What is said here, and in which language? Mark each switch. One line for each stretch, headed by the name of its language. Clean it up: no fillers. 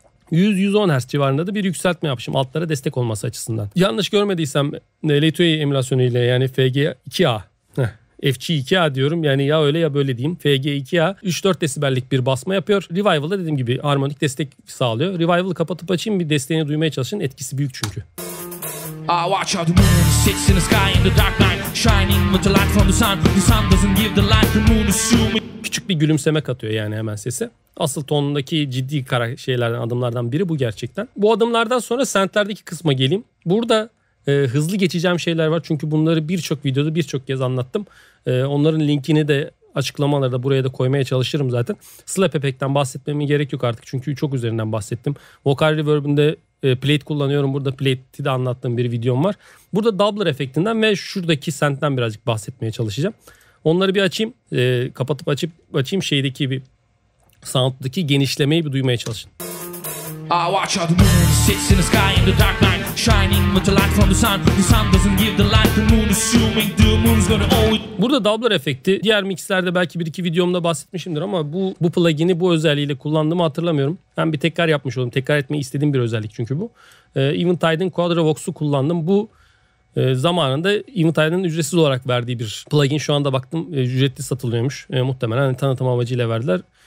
Turkish: 100-110 Hz civarında da bir yükseltme yapmışım altlara destek olması açısından. Yanlış görmediysem LA-2A emülasyonu ile yani FG2A. FG2A diyorum yani, ya öyle ya böyle diyeyim. FG2A 3-4 desibellik bir basma yapıyor. Revival'da dediğim gibi harmonik destek sağlıyor. Revival'ı kapatıp açayım, bir desteğini duymaya çalışın. Etkisi büyük çünkü.
English: I watch how the moon sits in the sky in the dark night, shining with the light from the sun. The sun doesn't give the light, the moon is zooming.
Turkish: Küçük bir gülümseme katıyor yani hemen sese. Asıl tonundaki ciddi şeylerden, adımlardan biri bu gerçekten. Bu adımlardan sonra sentlerdeki kısma geleyim. Burada hızlı geçeceğim şeyler var çünkü bunları birçok videoda birçok kez anlattım. Onların linkini de açıklamalarda buraya da koymaya çalışırım zaten. Slap Effect'ten bahsetmeme gerek yok artık çünkü çok üzerinden bahsettim. Vocal Reverb'ünde plate kullanıyorum. Burada plate'i de anlattığım bir videom var. Burada Doubler efektinden ve şuradaki sentten birazcık bahsetmeye çalışacağım. Onları bir açayım. Kapatıp açayım şeydeki bir sound'daki genişlemeyi bir duymaya çalışın.
English: I watch how the moon sits in the sky in the dark night, shining with the light from the sun. The sun doesn't give the light, the moon assuming the moon's gonna always.
Turkish: Burada Doubler efekti. Diğer mixlerde belki bir iki videomda bahsetmişimdir ama bu plugin'i bu özelliğiyle kullandığımı hatırlamıyorum. Ben bir tekrar yapmış oldum. Tekrar etmeyi istediğim bir özellik çünkü bu. Eventide'in Quadravox'u kullandım. Bu zamanında Eventide'in ücretsiz olarak verdiği bir plugin. Şu anda baktım ücretli satılıyormuş. Muhtemelen hani tanıtım amacıyla verdiler.